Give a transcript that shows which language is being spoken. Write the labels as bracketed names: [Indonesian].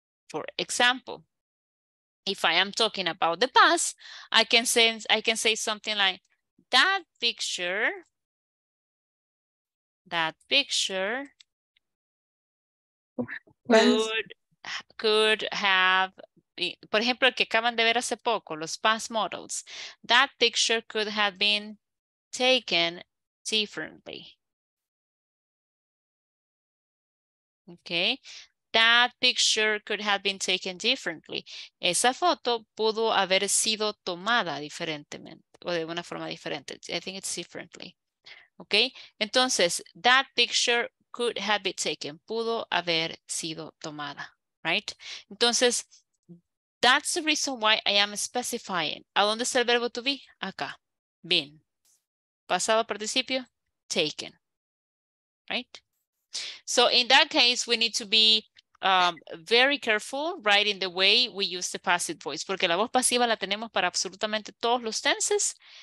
[English] For example, if I am talking about the past, I can say something like, that picture could have, por ejemplo, el que acaban de ver hace poco, los past models, that picture could have been taken differently. Okay, that picture could have been taken differently. [Spanish] Esa foto pudo haber sido tomada diferentemente o de una forma diferente. [English] I think it's differently. Okay, entonces, that picture could have been taken. Pudo haber sido tomada, right? Entonces, that's the reason why I am specifying. [Spanish] ¿A dónde está el verbo to be? Acá, been. Pasado participio, taken, right? [English] So in that case, we need to be very careful, right, in the way we use the passive voice. [Spanish] Porque la voz pasiva la tenemos para absolutamente todos los tenses.